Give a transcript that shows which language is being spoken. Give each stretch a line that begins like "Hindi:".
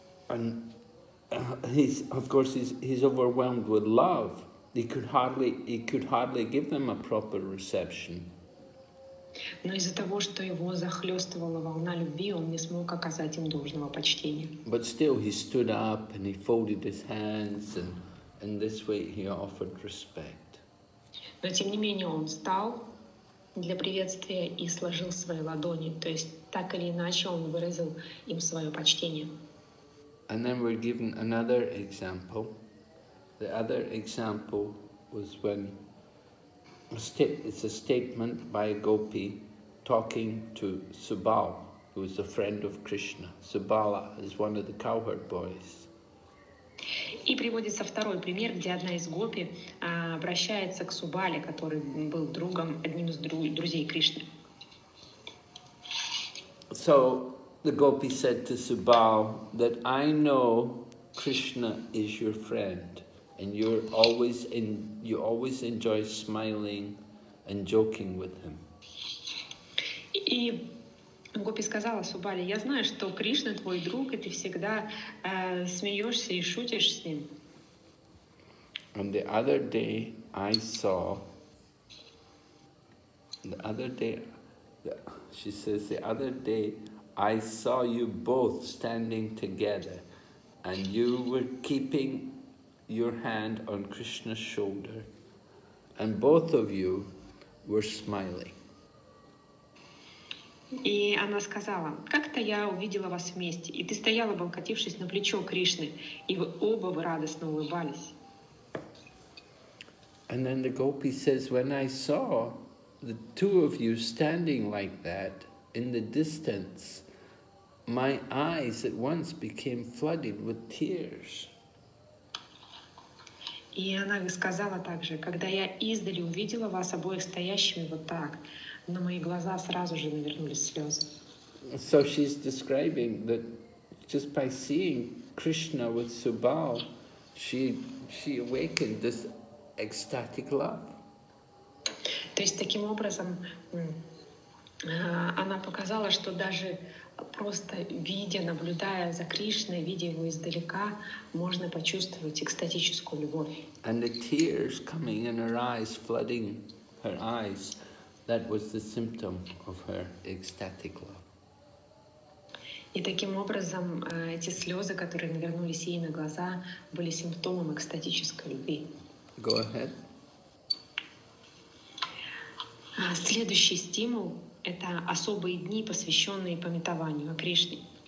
English: And he's, of course, he's overwhelmed with love. He could hardly give them a proper reception.
Russian: Но из-за того, что его захлестывала волна любви, он не смог оказать им должного почтения.
English: But still, he stood up and he folded his hands, and in this way he offered respect.
Russian: Но тем не менее он встал для приветствия и сложил свои ладони, то есть так или иначе он выразил им свое почтение.
English: And then we're given another example. The other example was when it's a statement by a gopi talking to Subal, who is a friend of Krishna. Subala is one of the cowherd boys.
Russian: И приводится второй пример, где одна из гопи обращается к Субале, который был другом, одним из друзей Кришны.
English: So the gopi said to Subal that I know Krishna is your friend and you always enjoy smiling and joking with him.
Russian: И гопи сказала Субале: я знаю, что Кришна твой друг, и ты всегда смеешься и шутишь с ним.
English: And the other day I saw you both standing together, and you were keeping your hand on Krishna's shoulder, and both of you were smiling.
Russian: И она сказала: как-то я увидела вас вместе, и ты стоял, облокотившись на плечо Кришны, и вы оба радостно улыбались.
English: And then the gopi says, when I saw the two of you standing like that in the distance, my eyes at once became flooded with tears.
Russian: И она сказала также: когда я издали увидела вас обоих стоящими вот так, но мои глаза сразу же навернулись слезы.
English: So she's describing that just by seeing Krishna with Subal, she awakened this ecstatic love.
Russian: То есть таким образом она показала, что даже просто видя, наблюдая за Кришной, видя его издалека, можно почувствовать экстатическую любовь.
English: And the tears coming in her eyes, flooding her eyes. That was the symptom of her ecstatic love.
Russian: И таким образом эти слезы, которые навернулись ей на глаза, были симптомом экстатической любви.
English: Go ahead.
Russian: Следующий стимул — это особые дни, посвященные памятованию о Кришне.